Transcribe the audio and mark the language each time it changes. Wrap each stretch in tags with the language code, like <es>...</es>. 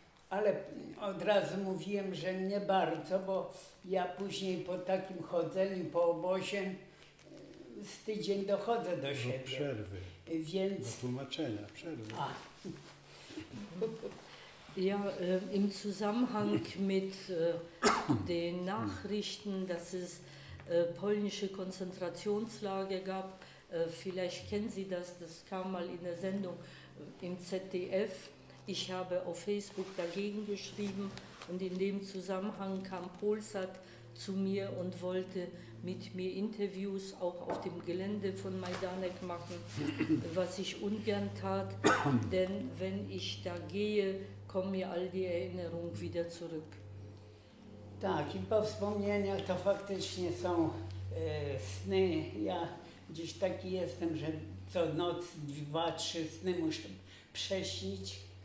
<pl>Ale od razu mówiłem, że nie bardzo, bo ja później po takim chodzeniu po obozie z tydzień dochodzę do siebie. Przerwy. Więc... Do tłumaczenia, przerwy. A.</pl> <de>Ja, im Zusammenhang mit den Nachrichten, dass es polnische Konzentrationslager gab, vielleicht kennen Sie das, das kam mal in der Sendung im ZDF. Ich habe auf Facebook dagegen geschrieben und in dem Zusammenhang kam Polsat zu mir und wollte mit mir Interviews auch auf dem Gelände von Majdanek machen, was ich ungern tat, denn wenn ich da gehe, kommen mir all die Erinnerungen wieder zurück.</de> <pl>Tak, i po wspomnieniach to faktycznie są sny. Ja gdzieś taki jestem, że co noc dwa, trzy sny muszę prześnić.</pl>